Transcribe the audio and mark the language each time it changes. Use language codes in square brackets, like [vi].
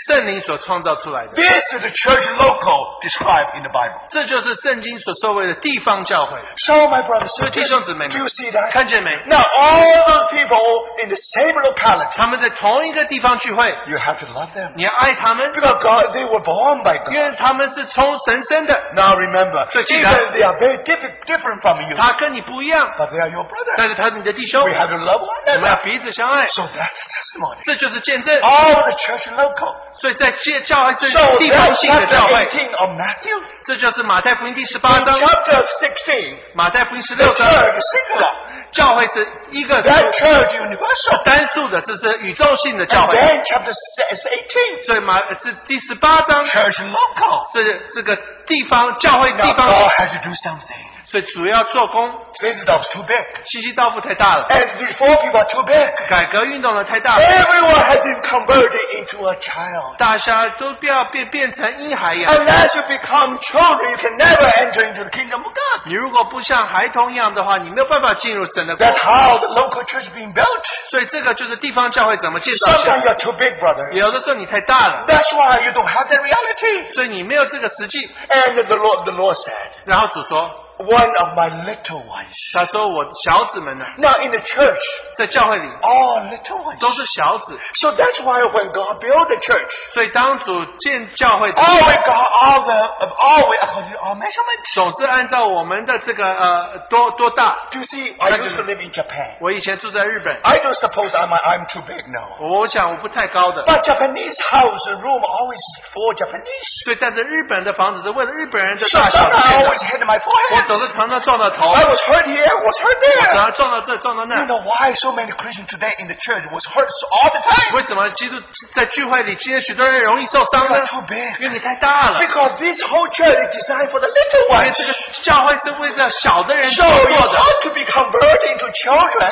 [en] This is the church local described in the Bible. [zh] 这就是圣经所所谓的地方教会. [en] So my brothers, so [zh] 弟兄姊妹, [en] do you see that? [zh] 看见没? [en] Now all the people in the same locality, [zh] 他们在同一个地方聚会, [en] you have to love them. [zh] 你爱他们, [en] because God, they were born by God. [zh] 因为他们是从神生的. [en] Now remember, [zh] 所以记得, [en] even they are very different from you, [zh] 他跟你不一样, [en] but they are your brother. [zh] 但是他是你的弟兄, [en] we have to love one another. [zh] 我们要彼此相爱. [en] So that's the testimony. [zh] 这就是 [en] all the church local. [zh] 所以在教会最地方性的教会。这就是马太福音第十八章。 [en] Chapter 16. [zh] 马太福音十六章。 [en] The church singular. [zh] 教会是一个。 [en] That church universal. [zh] 单数的，这是宇宙性的教会。 [en] Then chapter 18. [zh] 所以马是第十八章。 [en] Church local. [zh] 是这个地方教会地方。 [en] Now God has to do something. [zh] 所以主要做工, [en] Zinzendorf's too big. [zh] 西西道夫太大了, [en] and the reform people are too big. [zh] 改革运动了太大了, [en] everyone has been converted into a child. [zh] 大家都不要变成婴孩一样, [en] unless you become children, you can never enter into the kingdom of God. [zh] 你如果不像孩童一样的话, 你没有办法进入神的国. [en] That's how the local church is being built. [zh] 所以这个就是地方教会怎么介绍。 [en] Sometimes you're too big, brother. [zh] 有的时候你太大了. [en] That's why you don't have that reality. [zh] 所以你没有这个实际. [en] And the Lord said, [zh] 然后主说, [en] one of my little ones. [zh] 他说我小子们呢, [en] now in the church, [zh] 在教会里, [en] all little ones. [zh] 都是小子. [en] So that's why when God built the church, [zh] 所以当主建教会的, [en] all we got, all the, all we according to our measurements. [zh] 总是按照我们的这个, 多大. [en] Do you see, I used to live in Japan. [zh] 我以前住在日本. [en] I don't suppose I'm too big now. [zh] 我想我不太高的. [en] But Japanese house room always for Japanese. [zh] 所以但是日本的房子是为了日本人的大小的。 [en] So sometimes I always hit my forehead. I was hurt here, I was hurt there. You know why so many Christians today in the church was hurt all the time? [zh] 为什么基督在聚会里今天许多人容易受伤呢? [en] You're too big. [zh] 因为你太大了. [en] Because this whole church is designed for the little ones. [zh] 因为这个教会是为了小的人做的。 [en] So you ought to be converted into children.